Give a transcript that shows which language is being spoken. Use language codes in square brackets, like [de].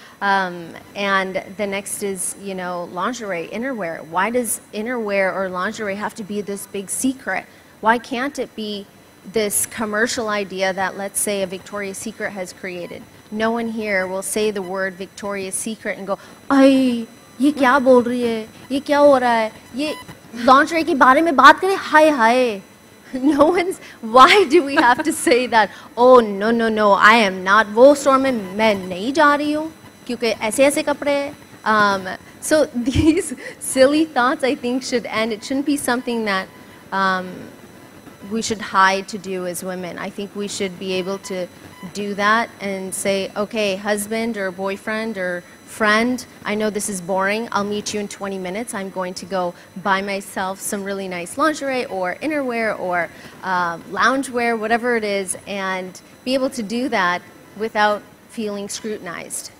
[en] And the next is, lingerie, innerwear. Why does innerwear or lingerie have to be this big secret? Why can't it be this commercial idea that, let's say, a Victoria's Secret has created? No one here will say the word Victoria's Secret and go, [hi] "अय, ये क्या बोल रही है? ये क्या हो रहा है? ये lingerie के बारे में बात करे? हाय हाय." [en] No one's. Why do we have to say that? Oh no no no! I am not. [hi] वो store में मैं नहीं जा रही हूँ, क्योंकि ऐसे ऐसे कपड़े. [en] So these silly thoughts, I think, should end. It shouldn't be something that we should hide to do as women. I think we should be able to do that and say, okay, husband or boyfriend or friend, I know this is boring, I'll meet you in 20 minutes, I'm going to go buy myself some really nice lingerie or innerwear or loungewear, whatever it is, and be able to do that without feeling scrutinized.